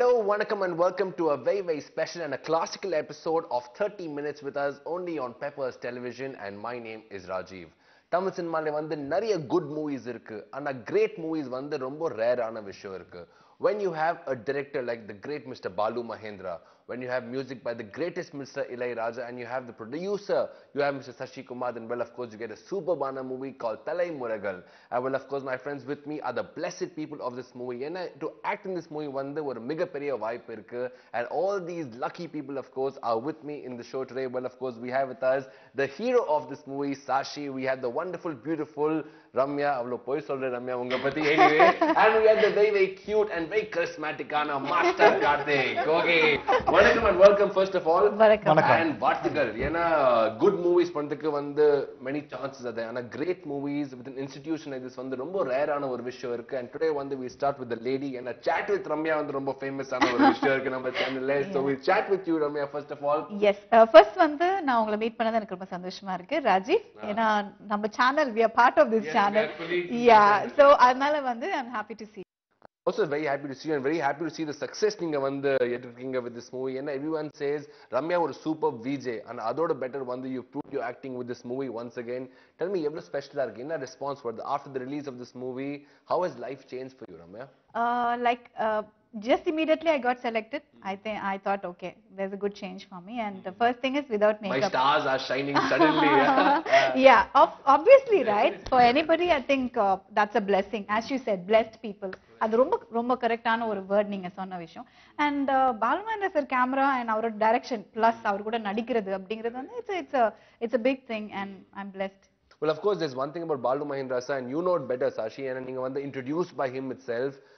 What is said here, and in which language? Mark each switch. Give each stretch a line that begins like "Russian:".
English: வணக்கம் and welcome to a very very special and a classical episode of 30 minutes with us only on Peppers television and my name is Rajeev.
Tamil: Tamil சினிமாவில் வந்து நிறைய
English: good movies
Tamil: இருக்கு, ஆனால்
English: great movies
Tamil: வந்து ரொம்ப ரேரான விஷயம் இருக்கு.
English: When you have a director like the great Mr. Balu Mahendra, when you have music by the greatest Mr. Ilaiyaraja, and you have the producer, you have Mr. Sashikumar, then well, of course, you get a superbana movie called Thalaimuraigal. And well, of course, my friends with me are the blessed people of this movie. And to act in this movie,
Tamil: vandu oru megaperiya vaipu irukku.
English: And all these lucky people, of course, are with me in the show today. Well, of course, we have with us the hero of this movie, Shashi. We have the wonderful, beautiful Ramya.
Tamil: Avlo poi solre Ramya unga pathi
English: anyway. And we have the very, very cute and very charismatic ana master Karthik. Okay.
Tamil: வணக்கம்
English: And welcome. First of all
Tamil: and வாழ்த்துக்கள். ஏன்னா
English: good movies
Tamil: பண்றதுக்கு வந்து
English: many chances
Tamil: அது, ஆனா
English: great movies with institution
Tamil: இது வந்து ரொம்ப ரேரான ஒரு விஷயம் இருக்கு.
English: and today
Tamil: வந்து
English: we start with lady,
Tamil: ஏன்னா
English: chat with Ramya
Tamil: வந்து ரொம்ப ஃபேமஸ் ஆன ஒரு விஷயம் இருக்கு நம்ம சேனல்ல.
English: So we chat with you Ramya first of all.
Tamil: Yes first வந்து நான் உங்களை மீட் பண்ணது எனக்கு ரொம்ப சந்தோஷமா இருக்கு ராஜீவ். ஏன்னா நம்ம channel,
English: We are part of this channel. Yeah, so
Tamil: அதனால வந்து
English: I am happy to see. Also very happy to see you and very happy to see the success
Tamil: neenga vandu edukkinga
English: with this movie. And everyone says Ramya or super VJ and adoda better vandu you proved your acting with this movie once again. Tell me,
Tamil: evlo special ah irukke, enna response vardhu
English: after the release of this movie? How has life changed for you, Ramya? Just immediately I got selected. I thought okay, there's a good change for me. And the first thing is without makeup, my stars are shining suddenly. Yeah, obviously, right? For anybody, I think that's a blessing, as you said, blessed people.
Tamil: அது ரொம்ப ரொம்ப கரெக்டான ஒரு word நீங்க சொன்ன விஷயம். And Balu Mahendra sir camera and அவரோட direction plus அவர் கூட நடிக்கிறது அப்படிங்கிறது வந்து
English: It's a big thing and I am blessed. Well, of course there's one thing about Balu Mahendra sir and you know it better சாஷி, and
Tamil: நீங்க வந்து
English: Introduced by him itself.